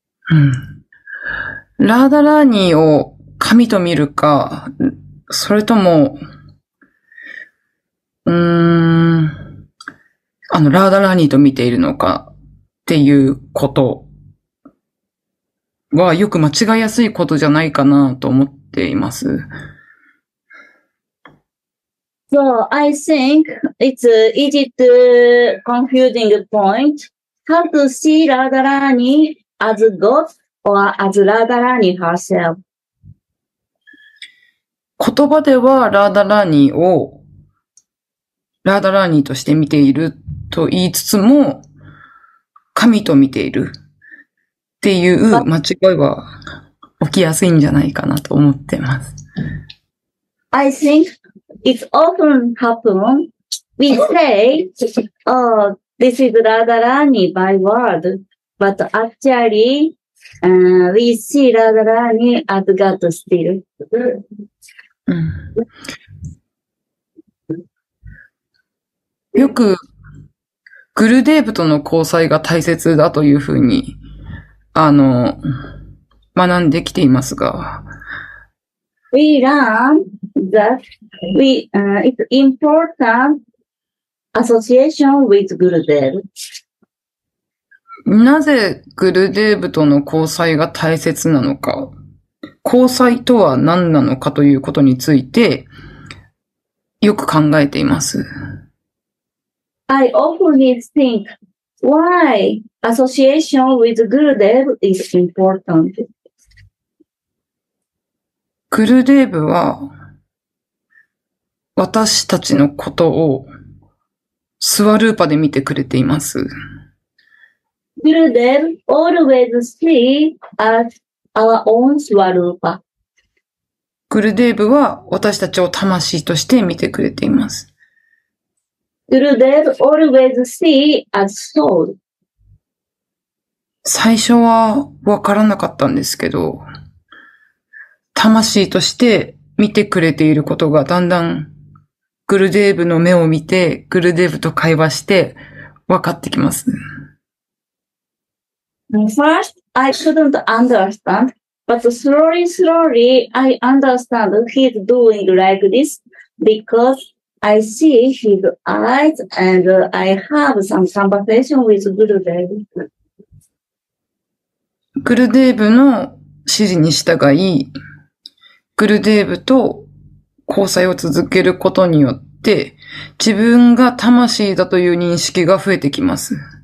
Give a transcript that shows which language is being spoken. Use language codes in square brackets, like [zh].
[ja] うん、ラーダラーニーを神と見るか、それとも、あの、ラーダラーニーと見ているのかっていうことは、よく間違いやすいことじゃないかなと思っています。 [en] So, I think it's an easy to confusing point. How to see Radharani as God or as Radharani herself? [ja] 言葉ではラーダラーニーをラーダラーニーとして見ていると言いつつも神と見ているっていう間違いは起きやすいんじゃないかなと思ってます。 [en] I think it often happens. We say, oh,This is Radharani by word, but actually,we see Radharani as God still. うん。 [ja] よく、グルデーブとの交際が大切だというふうに、あの、学んできていますが。 [en] We learn that we, it's important. Association with Gurudev. [ja] なぜグルデーブとの交際が大切なのか、交際とは何なのかということについてよく考えています。 [en] I often think why association with Gurudev is important. [ja] グルデーブは私たちのことをスワルーパで見てくれています。 [en] Gurudev always see us our own Swarupa. [ja] Gurudev は私たちを魂として見てくれています。 [en] Gurudev always see us soul. [ja] 最初はわからなかったんですけど、魂として見てくれていることがだんだんグルデーブの目を見て、グルデーブと会話して、分かってきます。 [en] First, I couldn't understand, but slowly, slowly, I understand he's doing like this because I see his eyes and I have some conversation with グルデーブ。 [ja] グルデーブの指示に従い、グルデーブと交際を続けることによって、自分が魂だという認識が増えてきます。